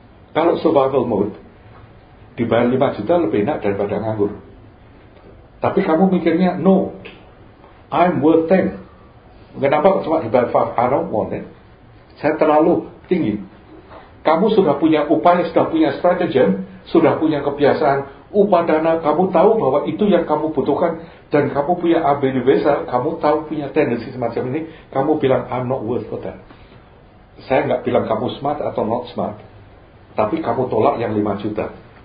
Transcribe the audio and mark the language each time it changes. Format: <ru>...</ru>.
<id>Kalau survival mode dibayar 5 juta lebih enak daripada nganggur. Tapi kamu mikirnya,</id> <en>no, I'm worth 10.</en> <id>Kenapa cuma dibayar 5?</id> <en>I don't want it.</en> <id>Saya terlalu tinggi. Kamu sudah punya upaya, sudah punya strategi, sudah punya kebiasaan, upadana, kamu tahu bahwa itu yang kamu butuhkan, dan kamu punya abilitas, kamu tahu punya tendensi semacam ini, kamu bilang,</id> <en>I'm not worth for that.</en> <id>Saya nggak bilang kamu smart atau not smart, tapi kamu tolak yang 5 juta.</id>